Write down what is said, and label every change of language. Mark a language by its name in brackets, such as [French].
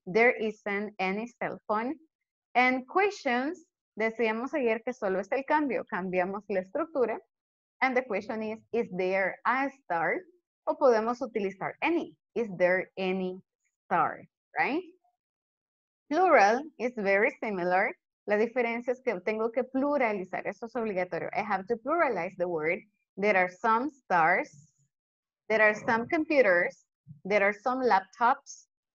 [English] There isn't any cell phone. And questions, [Spanish] decíamos ayer que solo es el cambio, cambiamos la estructura. [English] And the question is there a star? [Spanish] O podemos utilizar any, [English] is there any star, right? Plural is very similar. [Spanish] La diferencia es que tengo que pluralizar, eso es obligatorio. [English] I have to pluralize the word. There are some stars, there are some computers, there are some laptops.